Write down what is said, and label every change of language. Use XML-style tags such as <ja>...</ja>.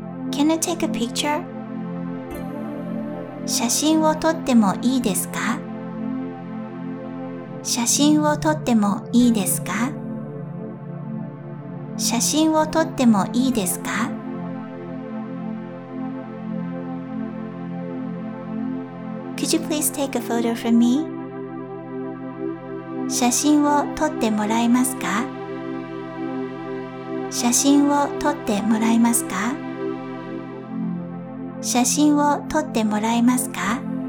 <en>Can I take a picture?</en> <ja>写真を撮ってもいいですか？写真を撮ってもいいですか？写真を撮ってもいいですか？</ja> <en>Could you please take a photo from me?</en> <ja>写真を撮ってもらえますか？写真を撮ってもらえますか？写真を撮ってもらえますか？</ja>